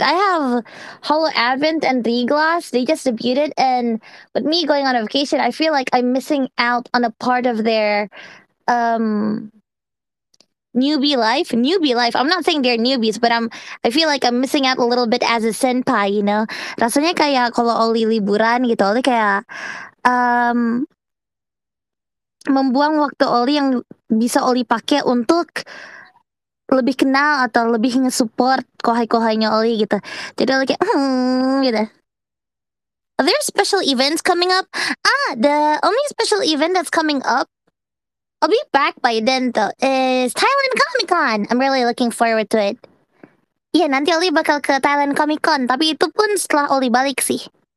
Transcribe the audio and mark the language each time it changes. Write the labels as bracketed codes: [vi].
[en] I have Hollow Advent and Reglas, they just debuted, and with me going on a vacation, I feel like I'm missing out on a part of their newbie life. I'm not saying they're newbies, but I feel like I'm missing out a little bit as a senpai, you know. [id] Rasanya kayak kalau Oli liburan gitu, Oli kayak membuang waktu Oli yang bisa Oli pakai untuk lebih kenal atau lebih nge-support kohai-kohainya Oli gitu. Jadi Oli kayak gitu. [en] Are there special events coming up? The only special event that's coming up, I'll be back by then though, is Thailand Comic Con. I'm really looking forward to it. Yeah, [id] nanti Oli bakal ke Thailand Comic Con, tapi itu pun setelah Oli balik sih.